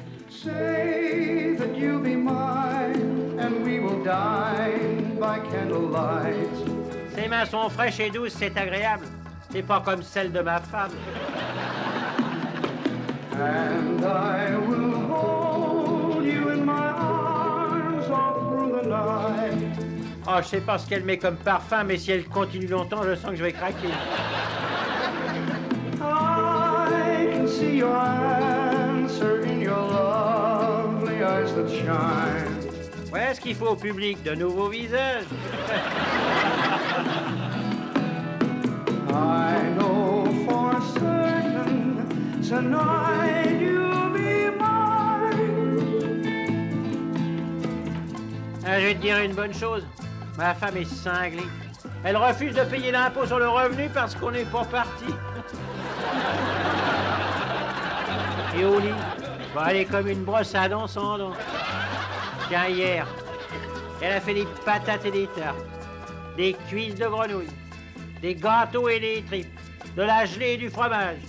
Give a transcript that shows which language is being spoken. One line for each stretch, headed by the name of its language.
English: Say that you'll be mine and we will dine.
French: Ses mains sont fraîches et douces, c'est agréable. C'est pas comme celle de ma femme.
English: And I will hold you in my arms all through the night.
French: Oh, je sais pas ce qu'elle met comme parfum, mais si elle continue longtemps, je sens que je vais craquer.
English: I can see your answer in your lovely eyes that shine.
French: Ouais, ce qu'il faut au public, de nouveaux visages.
English: I know for certain tonight you'll be mine.
French: Je vais te dire une bonne chose. Ma femme est cinglée. Elle refuse de payer l'impôt sur le revenu parce qu'on n'est pas parti. Et au lit, bon, elle est comme une brosse à dents sans dents. Tiens, hier. Elle a fait des patates et des tartes, des cuisses de grenouille, des gâteaux et des tripes, de la gelée et du fromage.